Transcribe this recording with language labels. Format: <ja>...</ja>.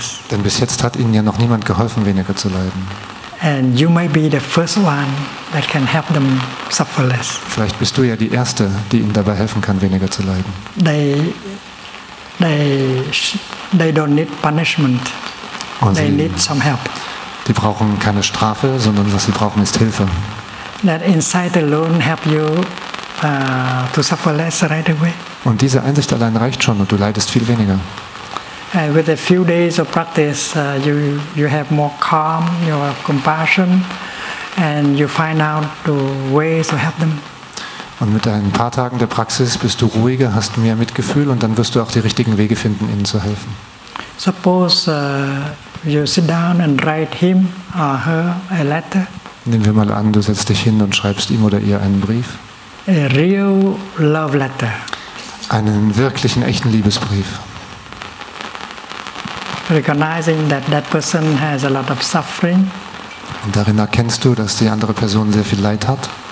<de>Denn bis jetzt hat ihnen ja noch niemand geholfen, weniger zu leiden.</de> <en>And you may be the first one that can help them suffer less.</en> <de>Vielleicht bist du ja die erste, die ihnen dabei helfen kann, weniger zu leiden.</de> <en>They don't need punishment. Und they need some help.</en> <de>Die brauchen keine Strafe, sondern was sie brauchen ist Hilfe.</de> <en>That insight alone help you to suffer less right away.</en> <de>Und diese Einsicht allein reicht schon und du leidest viel weniger.</de> <en>With a few days of practice, you have more calm, you have compassion, and you find out the ways to help them.</en> <de>Und mit ein paar Tagen der Praxis bist du ruhiger, hast mehr Mitgefühl und dann wirst du auch die richtigen Wege finden, ihnen zu helfen.</de> <en>Suppose you sit down and write him or her a letter.</en> <de>Nehmen wir mal an, du setzt dich hin und schreibst ihm oder ihr einen Brief.</de> <en>A real love letter.</en> <de>Einen wirklichen, echten Liebesbrief.</de> <en>Recognizing that person has a lot of suffering.</en> <de>Und darin erkennst du, dass die andere Person sehr viel Leid hat.</de>